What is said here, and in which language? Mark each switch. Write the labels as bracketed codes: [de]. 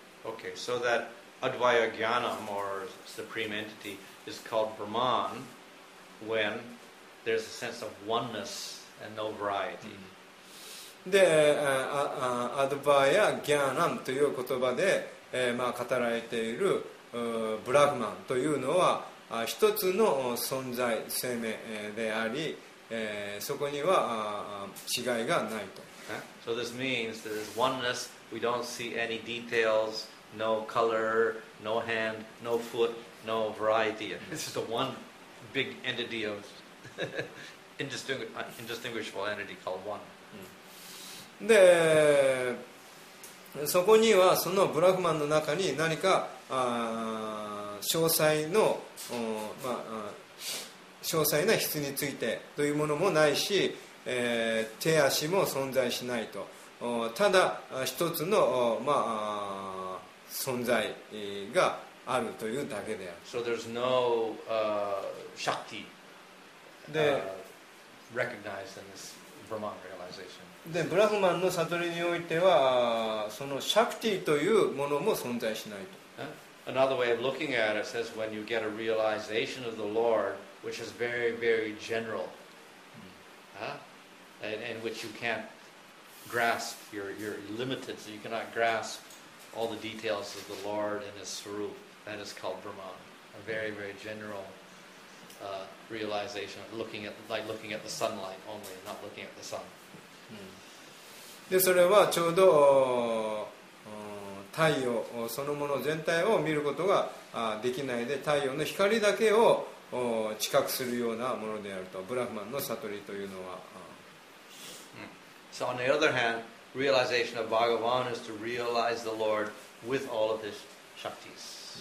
[en] Okay, so that Advaita Jnanam or supreme entity is called Brahman when there's a sense of oneness. And no variety. [ja] で、アドバヤ・ギャーナンという言葉で、まあ、語られているブラフマンというのは一つの存在、生命であり、そこには違いがないと。 [en] So this means there's oneness, we don't see any details, no color, no hand, no foot, no variety. It's just a one big entity of... indistinguishable entity called one. [ja] で、そこにはそのブラフマンの中に何か詳細の、まあ、詳細な質についてというものもないし、手足も存在しないと。ただ一つの、まあ、存在があるというだけである。 [en] So there's no shakti. で、 recognized in this Brahman realization. [ja] で、ブラフマンの悟りにおいては、そのシャクティというものも存在しないと。 [en] Another way of looking at it says when you get a realization of the Lord, which is very, very general, and which you can't grasp, you're limited, so you cannot grasp all the details of the Lord and His Swarup, that is called Brahman, a very, very general. Realization, looking at like looking at the sunlight only, not looking at the sun. [ja] で、それはちょうど太陽そのもの全体を見ることができないで、太陽の光だけを知覚するようなものであると、ブラフマンの悟りというのは。 [en] So on the other hand, realization of Bhagavan is to realize the Lord with all of his shaktis.